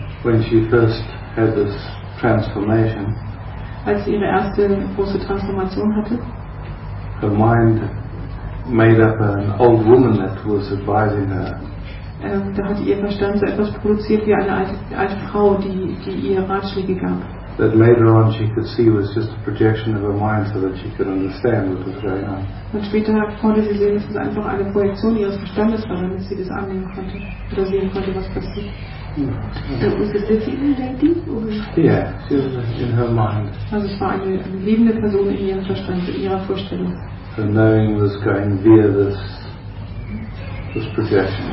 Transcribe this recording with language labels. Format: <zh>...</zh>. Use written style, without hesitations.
<en>When she first had this transformation.</en> <de>Als sie ihre erste große Transformation hatte.</de> <en>Her mind made up an old woman that was advising her.</en> <de>Da hat ihr Verstand so etwas produziert wie eine alte Frau, die ihr Ratschläge gab.</de> <en>That later on she could see was just a projection of her mind so that she could understand what was going on.</en> <de>Und später konnte sie sehen, dass es einfach eine Projektion ihres Verstandes war, damit sie das annehmen konnte oder sehen konnte, was passiert.</de> <en>In her mind.</en> <de>Also es war eine lebende Person in ihrem Verstand, in ihrer Vorstellung.</de> <en>The knowing was going via this projection.</en>